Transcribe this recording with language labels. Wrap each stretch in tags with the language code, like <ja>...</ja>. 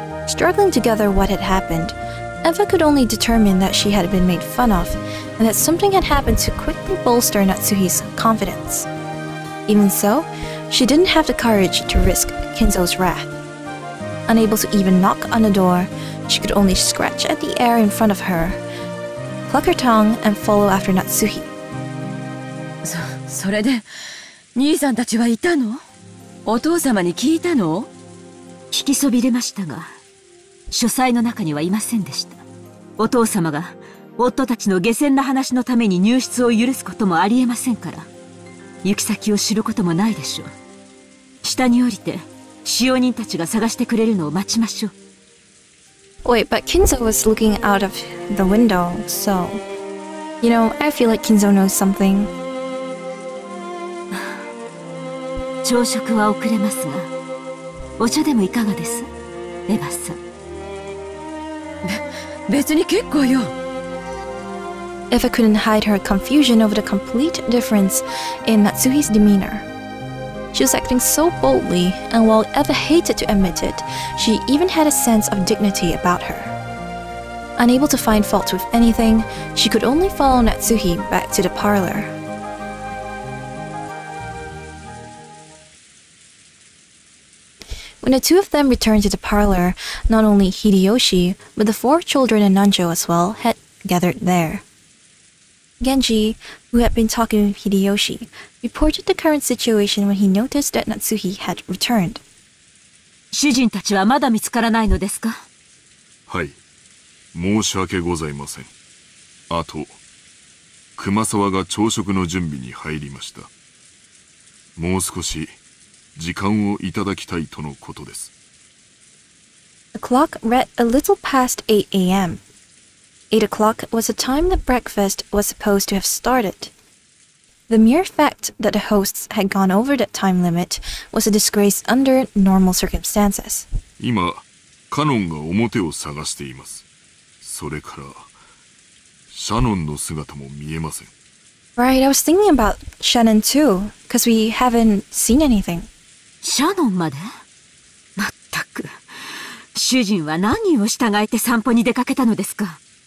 <en>Struggling to gather what had happenedEva could only determine that she had been made fun of, and that something had happened to quickly bolster Natsuhi's confidence. Even so, she didn't have the courage to risk Kinzo's wrath. Unable to even knock on the door, she could only scratch at the air in front of her, pluck her tongue, and follow after Natsuhi.</en> <ja>それで、兄さんたちはいたの？お父様に聞いたの？聞きそびれましたが。書斎の中にはいませんでした。お父様が夫たちの下賤な話のために入室を許すこともありえませんから、行き先を知ることもないでしょう。下に降りて使用人たちが探してくれるのを待ちましょう。</ja> <en>Wait, but Kinzo was looking out of the window, so you know, I feel like Kinzo knows something.</en> <ja>朝食は遅れますが、お茶でもいかがです、エヴァさん。別に結構よ。</ja> <en>エヴァ couldn't hide her confusion over the complete difference in Natsuhi's demeanor. She was acting so boldly, and while Eva hated to admit it, she even had a sense of dignity about her. Unable to find fault with anything, she could only follow Natsuhi back to the parlor. When the two of them returned to the parlor, not only Hideyoshi, but the four children and Nanjo as well had gathered there. Genji, who had been talking with Hideyoshi, reported the current situation when he noticed that Natsuhi had returned.</en> <ja>主人たちはまだ見つからないのですか? はい。申し訳ございません。あと、熊沢が朝食の準備に入りました。もう少し時間をいただきたいとのことです。</ja> <en>The clock read a little past 8 a.m. 8 o'clock was the time that breakfast was supposed to have started. The mere fact that the hosts had gone over that time limit was a disgrace under normal circumstances.</en> <ja>今、カノンが表を探しています。それから、シャノンの姿も見えません。</ja> <en>Right, I was thinking about Shannon too, because we haven't seen anything.</en> <ja>シャノンまで? まったく、主人は何人を従えて散歩に出かけたのですか?</ja>